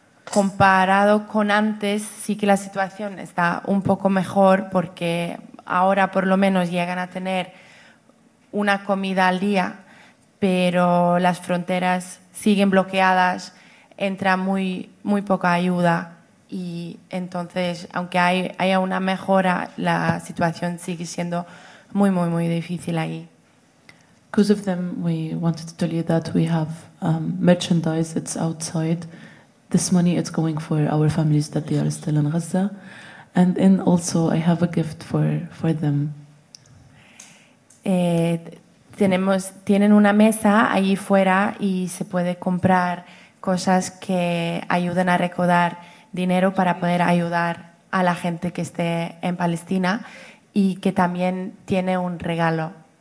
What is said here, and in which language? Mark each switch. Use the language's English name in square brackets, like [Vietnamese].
[Spanish] Comparado con antes, sí que la situación está un poco mejor, porque ahora por lo menos llegan a tener una comida al día, pero las fronteras siguen bloqueadas, entra muy, muy poca ayuda, y entonces, aunque haya una mejora, la situación sigue siendo muy, muy, muy difícil ahí. [English] Because of them, we wanted to tell you that we have merchandise. It's outside. This money is going for our families that they are still in Gaza, and then also I have a gift for them. [Spanish] Tienen una mesa allí fuera y se puede comprar cosas que ayuden a recaudar dinero para poder ayudar a la gente que esté en Palestina y que también tiene un regalo.